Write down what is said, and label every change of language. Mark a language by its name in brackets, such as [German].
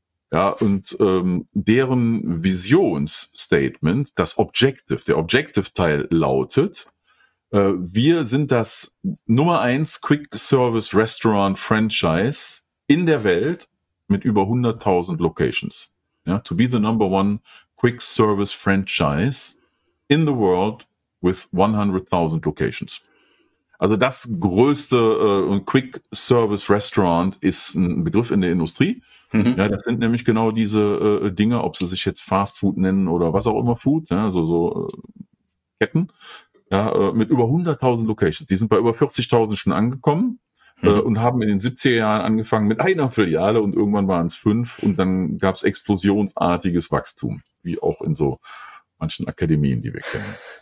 [German] Ja, und deren Visionsstatement, das Objective, der Objective-Teil lautet, wir sind das Nummer 1 Quick-Service-Restaurant-Franchise in der Welt, mit über 100.000 Locations. [English] Ja, to be the number one quick service franchise in the world with 100.000 Locations. [German] Also das größte quick service restaurant ist ein Begriff in der Industrie. Ja, das sind nämlich genau diese Dinge, ob sie sich jetzt Fast Food nennen oder was auch immer Food, ja, so Ketten. ja, mit über 100.000 Locations. Die sind bei über 40.000 schon angekommen, und haben in den 70er Jahren angefangen mit einer Filiale und irgendwann waren es fünf und dann gab es explosionsartiges Wachstum, wie auch in so manchen Akademien, die wir kennen.